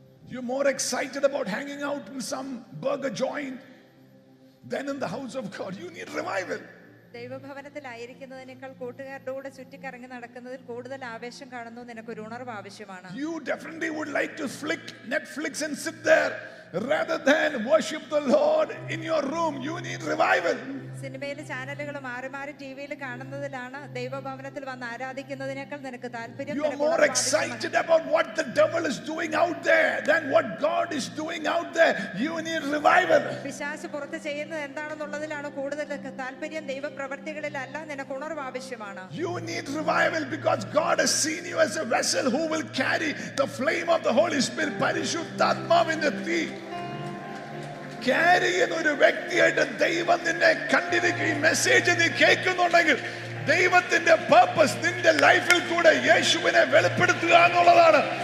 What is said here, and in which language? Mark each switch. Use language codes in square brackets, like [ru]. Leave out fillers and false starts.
[en] You're more excited about hanging out in some burger joint than in the house of God. You need revival. [ml] ദൈവ ഭവനത്തിൽ ആയിരിക്കുന്നതിനേക്കാൾ കൂട്ടുകാരുടെ കൂടെ ചുറ്റിക്കറങ്ങി നടക്കുന്നതിൽ കൂടുതൽ ആവേശം കാണുന്നു. നിനക്ക് ഒരു ഉണർവ് ആവശ്യമാണ്. [en] You definitely would like to flick Netflix and sit there rather than worship the Lord in your room. You need revival. [ml] സിനിമയിലെ ചാനലുകൾ മാറി മാറി ടിവിയിൽ കാണുന്നതിലാണ് ദൈവ ഭവനത്തിൽ വന്ന് ആരാധിക്കുന്നതിനേക്കാൾ നിനക്ക് താല്പര്യം. [en] You are more excited about what the devil is doing out there than what God is doing out there. You need revival. [ml] പിശാച് പുറത്ത് ചെയ്യുന്നത് എന്താണെന്നുള്ളതിലാണ് കൂടുതൽ താല്പര്യം. ദൈവ പ്രവർത്തികളിലല്ല, നിനക്ക് ഉണർവ് ആവശ്യമാണ്. [en] You need revival because God has seen you as a vessel who will carry the flame of the Holy Spirit. [ml] പരിശുദ്ധാത്മാവിന്റെ തീ കാരിയുന്ന ഒരു വ്യക്തിയായിട്ട് ദൈവം നിന്നെ കണ്ടിരിക്കും. ഈ മെസ്സേജ് നീ കേൾക്കുന്നുണ്ടെങ്കിൽ ദൈവത്തിന്റെ പർപ്പസ് നിന്റെ ലൈഫിൽ കൂടെ യേശുവിനെ വെളിപ്പെടുത്തുക എന്നുള്ളതാണ്.